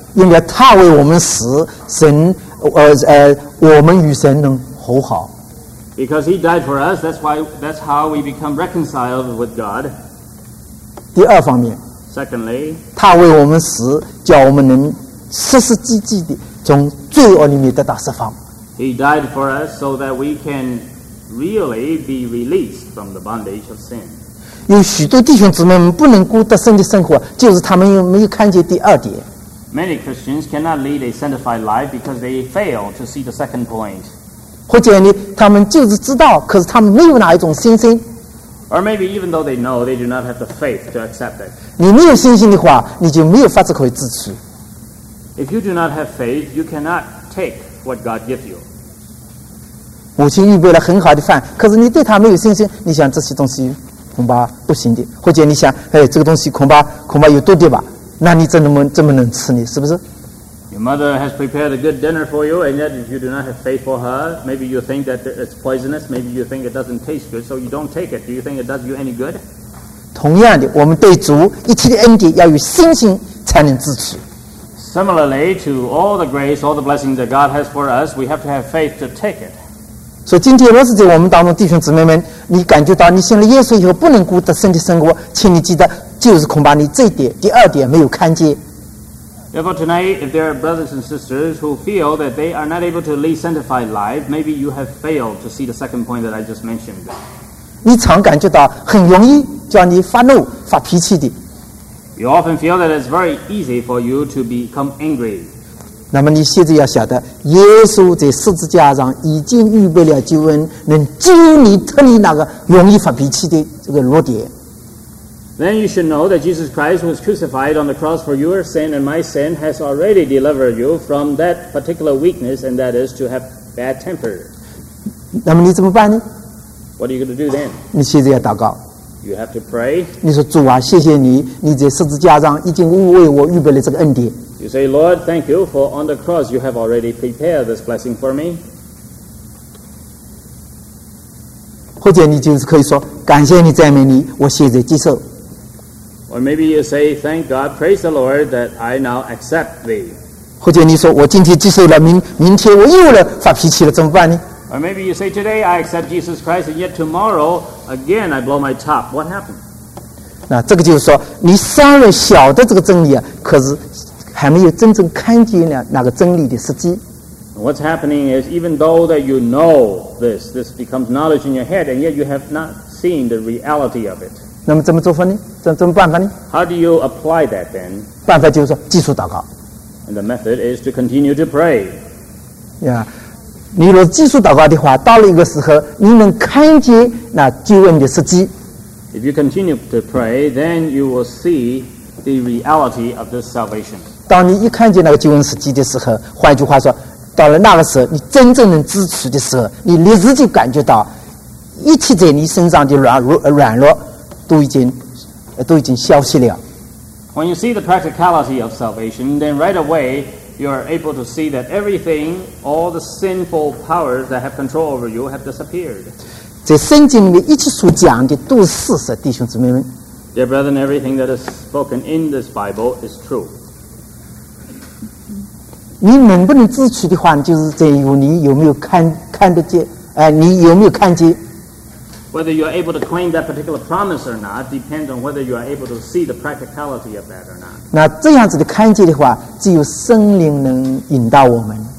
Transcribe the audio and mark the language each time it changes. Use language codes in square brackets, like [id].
[zh] 因为他为我们死，神我们与神能和好。 [en] Because he died for us, that's how we become reconciled with God. [zh] 第二方面。 [en] Secondly. [zh] 他为我们死，叫我们能实实际际的从罪恶里面得到释放。 [en] He died for us so that we can really be released from the bondage of sin. [zh] 有许多弟兄姊妹们不能过得圣洁生活，就是他们没有看见第二点。 [en] Many Christians cannot lead a sanctified life because they fail to see the second point. [zh] 或者呢，他们就是知道，可是他们没有哪一种信心。 [en] Or maybe even though they know, they do not have the faith to accept it. [zh] 你没有信心的话，你就没有法子可以支持。 [en] If you do not have faith, you cannot take what God gives you. [zh] 母亲预备了很好的饭，可是你对他没有信心，你想这些东西恐怕不行的，或者你想，哎，这个东西恐怕有毒的吧？那你怎么能吃呢？是不是 [en] ？Your mother has prepared a good dinner for you, and yet if you do not have faith for her, maybe you think that it's poisonous. Maybe you think it doesn't taste good, so you don't take it. Do you think it does you any good? [zh] 同样的，我们对主一切的恩典要有信心才能支持。 [en] Similarly, to all the grace, all the blessings that God has for us, we have to have faith to take it. [zh] 所以今天，若是在我们当中弟兄姊妹们，你感觉到你信了耶稣以后不能过得圣洁生活，请你记得，就是恐怕你这一点、第二点没有看见。 [en] Therefore, tonight, if there are brothers and sisters who feel that they are not able to lead sanctified life, maybe you have failed to see the second point that I just mentioned. [zh] 你常感觉到很容易叫你发怒、发脾气的。 [en] You often feel that it's very easy for you to become angry. [zh] 那么你现在要晓得，耶稣在十字架上已经预备了救恩，能救你脱离那个容易发脾气的这个弱点。 [en] Then you should know that Jesus Christ was crucified on the cross for your sin and my sin has already delivered you from that particular weakness, and that is to have bad temper. [zh] 那么你怎么办呢？ [en] What are you going to do then? [zh] 你现在要祷告。 [en] You have to pray. [zh] 你说主啊，谢谢你，你在十字架上已经为我预备了这个恩典。 [en] You say, Lord, thank you, for on the cross you have already prepared this blessing for me. [zh] 或者你就是可以说，感谢你，赞美你，我现在接受。 [en] Or maybe you say, thank God, praise the Lord, that I now accept thee. [zh] 或者你说，我今天接受了，明天我又来发脾气了，怎么办呢？ [en] Or maybe you say, today I accept Jesus Christ, and yet tomorrow, again, I blow my top. What happened? [zh] 那这个就是说，你虽然晓得这个真理啊，可是还没有真正看见那个真理的实际。 [en] What's happening is, even though that you know this, this becomes knowledge in your head, and yet you have not seen the reality of it. [zh] 那么怎么做法呢？怎么办法呢？ [en] How do you apply that then? [zh] 办法就是说，继续祷告。 [en] And the method is to continue to pray. Yeah. [zh] 你若继续祷告的话，到了一个时候，你能看见那救恩的实际。 [en] If you continue to pray, then you will see the reality of this salvation. [zh] 当你一看见那个救恩实际的时候，换句话说，到了那个时候，你真正能支持的时候，你立即就感觉到一切在你身上的软弱都已经消失了。 [en] When you see the practicality of salvation, then right away you are able to see that everything, all the sinful powers that have control over you have disappeared. [zh] 在圣经里面一切所讲的都是事实，弟兄姊妹们。 [en] Dear brethren, everything that is spoken in this Bible is true. [zh] 你能不能支持的话，就是在于你有没有看得见，你有没有看见。 [en] Whether you are able to claim that particular promise or not depends on whether you are able to see the practicality of that or not. [zh] 那这样子的看见的话，只有圣灵能引导我们。